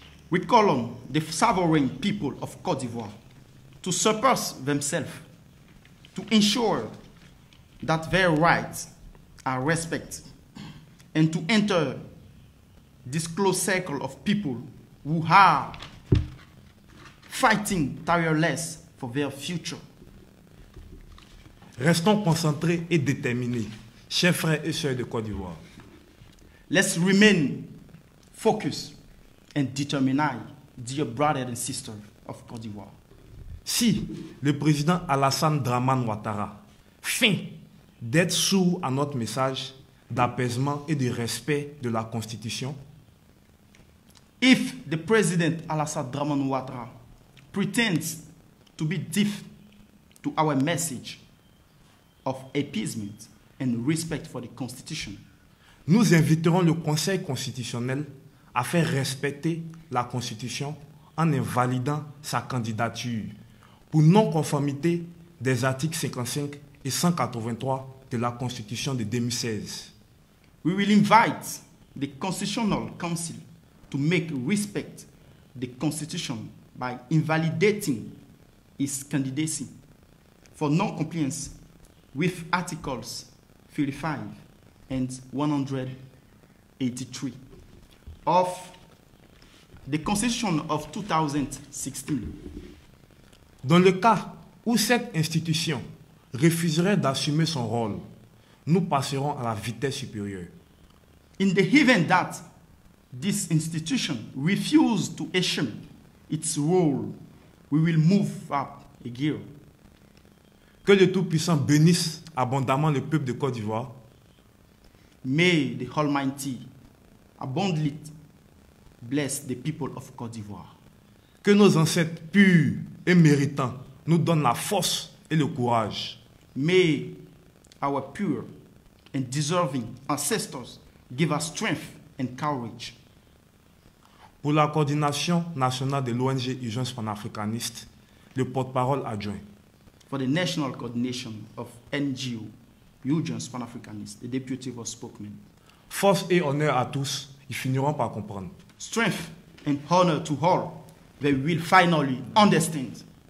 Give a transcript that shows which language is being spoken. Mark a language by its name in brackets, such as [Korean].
[English] We call on the sovereign people of Côte d'Ivoire to surpass themselves, to ensure that their rights are respected, and to enter this close circle of people who are fighting tirelessly for their future. [French] Restons concentrés et déterminés, chers frères et sœurs de Côte d'Ivoire. [English] Let's remain focused and determined, dear brothers and sisters of Côte d'Ivoire. [French] Si le président Alassane Dramane Ouattara feint d'être sourd à notre message d'apaisement et de respect de la Constitution, [English] if the president Alassane Dramane Ouattara pretends to be deaf to our message of appeasement and respect for the Constitution, [French] nous inviterons le Conseil constitutionnel à faire respecter la Constitution en invalidant sa candidature pour non-conformité des articles 55 et 183 de la Constitution de 2016. [English] We will invite the Constitutional Council to make respect the Constitution by invalidating its candidacy for non-compliance with articles 55 and 183 of the Constitution of 2016. [French] Dans le cas où cette institution refuserait d'assumer son rôle, nous passerons à la vitesse supérieure. [English] In the event that this institution refuses to assume its role, we will move up a gear. [French] Que le Tout-Puissant bénisse abondamment le peuple de Côte d'Ivoire. [English] May the Almighty abundantly bless the people of Côte d'Ivoire. [French] Que nos ancêtres purs et méritants nous donnent la force et le courage. [English] May our pure and deserving ancestors give us strength and courage. [French] Pour la coordination nationale de l'ONG Urgence panafricaniste, le porte-parole adjoint. [English] For the national coordination of NGO Urgence panafricaniste, the deputy was spokesman. [French] Force et honneur à tous, ils finiront par comprendre. [English] Strength and honor to all, they will finally understand.